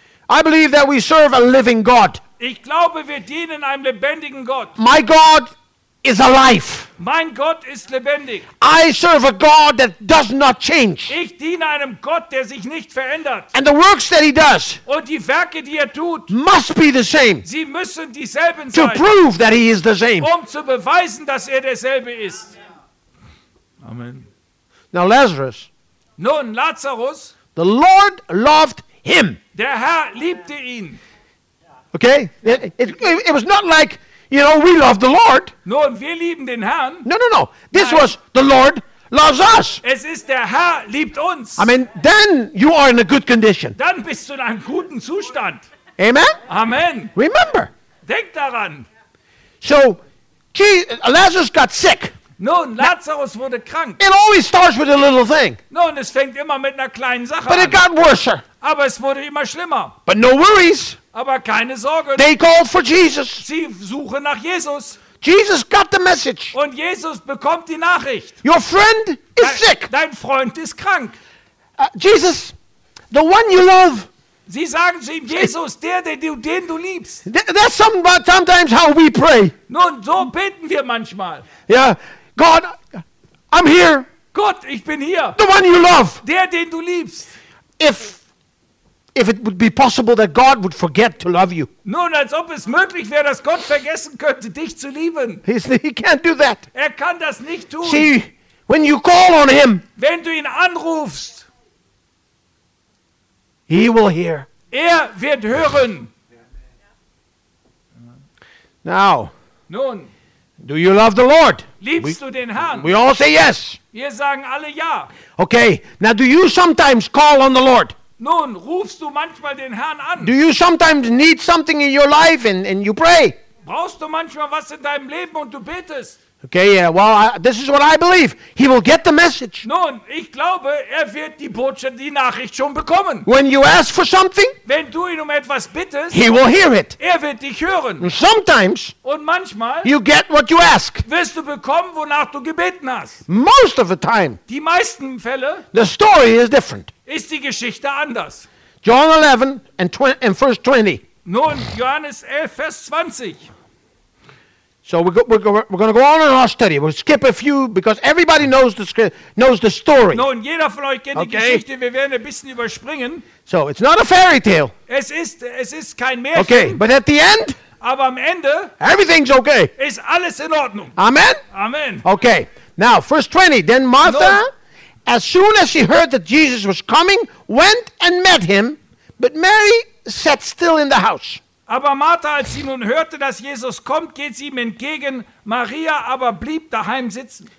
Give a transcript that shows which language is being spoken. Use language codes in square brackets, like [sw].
[en] I believe that we serve a living God. [de] Ich glaube, wir dienen einem lebendigen Gott. [en] My God is alive. [de] Mein Gott ist lebendig. [en] I serve a God that does not change. [de] Ich diene einem Gott, der sich nicht verändert. [en] And the works that he does. [de] Und die Werke, die er tut. [en] Must be the same. [de] Sie müssen dieselben sein. [en] To prove that he is the same. [de] Um zu beweisen, dass er derselbe ist. [en] Amen. Now Lazarus. [de] Nun, Lazarus. [en] The Lord loved him. [de] Der Herr liebte ihn. [en] Okay? It was not like, you know, we love the Lord. [de] Nun, wir lieben den Herrn. [en] No. This was the Lord loves us. [de] Es ist der Herr liebt uns. [en] I mean, then you are in a good condition. [de] Dann bist du in einem guten Zustand. [en] Amen? [de] Amen. [en] Remember. [de] Denk daran. [en] So, Lazarus got sick. [de] Nun, Lazarus wurde krank. [en] It always starts with a little thing. [de] Nun, es fängt immer mit einer kleinen Sache [en] but [de] an. [en] But it got worse. [de] Aber es wurde immer schlimmer. [en] But no worries. [de] Aber keine Sorgen. [en] They called for Jesus. [de] Sie suchen nach Jesus. [en] Jesus got the message. [de] Und Jesus bekommt die Nachricht. [en] Your friend is sick. [de] Dein Freund ist krank. [en] Jesus, the one you love. [de] Sie sagen zu ihm, Jesus, den du liebst. [en] That's sometimes how we pray. [de] Nun, so beten wir manchmal. [en] Yeah, God, I'm here. [de] Gott, ich bin hier. [en] The one you love. [de] Den du liebst. [en] If it would be possible that God would forget to love you. [de] Nun, als ob es möglich wäre, dass Gott vergessen könnte, dich zu lieben. [en] He can't do that. [de] Er kann das nicht tun. [en] See, when you call on him. [de] Wenn du ihn anrufst. [en] He will hear. [de] Er wird hören. [en] Now. [de] Nun. [en] Do you love the Lord? [de] Liebst du den Herrn? [en] We all say yes. [de] Wir sagen alle ja. [en] Okay, now do you sometimes call on the Lord? [de] Nun, rufst du manchmal den Herrn an? [en] Do you sometimes need something in your life and you pray? [de] Brauchst du manchmal was in deinem Leben und du betest? [en] Okay, yeah, well, this is what I believe. He will get the message. [de] Nun, ich glaube, wird die Botschaft, die Nachricht schon bekommen. [en] When you ask for something, [de] wenn du ihn etwas bittest, [en] he will hear it. [de] Wird dich hören. [en] And sometimes, [de] und manchmal, [en] you get what you ask. [de] Wirst du bekommen, wonach du gebeten hast. [en] Most of the time, [de] die meisten Fälle, [en] the story is different. [de] Ist die Geschichte anders. [en] John 11 and, and verse 20. [de] Nun, Johannes 11, Vers 20. [en] So we're going to go on in our study. We'll skip a few because everybody knows the story. [de] Nun, jeder von euch kennt die Geschichte. Wir werden ein bisschen überspringen. [en] So it's not a fairy tale. [de] Es ist kein Märchen. [en] Okay, but at the end. [de] Aber am Ende. [en] Everything's okay. [de] Ist alles in Ordnung. [en] Amen. [de] Amen. [en] Okay, now verse 20. Then Martha, as soon as she heard that Jesus was coming, went and met him, but Mary sat still in the house. [de] Aber Martha, als sie nun hörte, dass Jesus kommt, geht sie ihm entgegen. Maria aber blieb daheim sitzen.